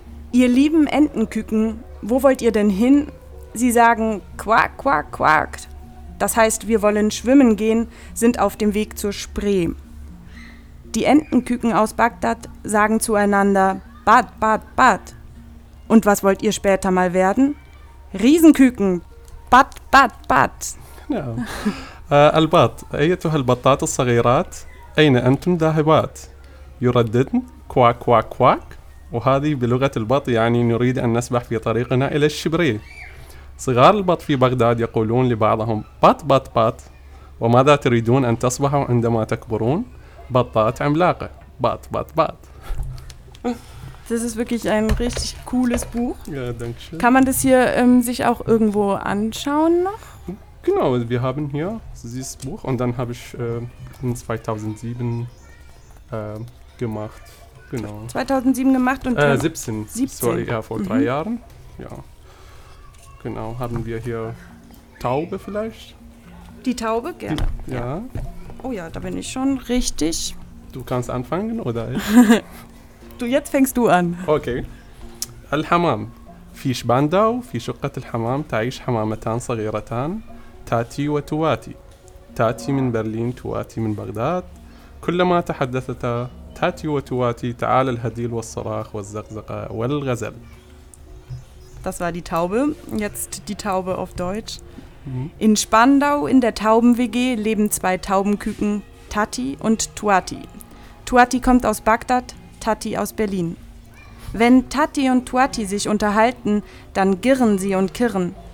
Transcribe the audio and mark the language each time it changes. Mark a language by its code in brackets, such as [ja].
[de] Ihr lieben Entenküken, wo wollt ihr denn hin? Sie sagen quack, quack, quack. Das heißt, wir wollen schwimmen gehen, sind auf dem Weg zur Spree. Die Entenküken aus Bagdad sagen zueinander bad, bad, bad. Und was wollt ihr später mal werden? Riesenküken, bat, bat, bat. Genau. [ar] البط أيتها البطات الصغيرات أين أنتم ذاهبات؟ يرددن كواك كواك كواك وهذه بلغة البط يعني نريد أن نسبح في طريقنا إلى الشبري. صغار البط في بغداد يقولون لبعضهم بات بات بات وماذا تريدون أن تصبحوا عندما تكبرون؟ بطات عملاقة بات بات بات. [de] Das ist wirklich ein richtig cooles Buch. Ja, danke schön. Kann man das hier sich auch irgendwo anschauen noch? Genau, wir haben hier dieses Buch und dann habe ich 2007 gemacht. Genau. 2007 gemacht und 17. 17. Sorry, ja, vor drei Jahren. Ja. Genau, haben wir hier Taube vielleicht? Die Taube, gerne. Ja. Oh ja, da bin ich schon richtig. Du kannst anfangen, oder? Du, jetzt fängst du an. Okay. [ar] الحمام في شباندا وفي شقة الحمام تعيش حمامتان صغيرتان تاتي وتواتي. تاتي من برلين تواتي من بغداد. كلما تحدثتا تاتي وتواتي تعال الهديل والصراخ والزقزقة والغزل. [de] Das war die Taube. Jetzt die Taube auf Deutsch. In Spandau in der Tauben-WG leben zwei Taubenküken, Tati und Tuati. Tuati kommt aus Bagdad. Tati aus Berlin. Wenn Tati und Tuati sich unterhalten, dann girren sie und kirren.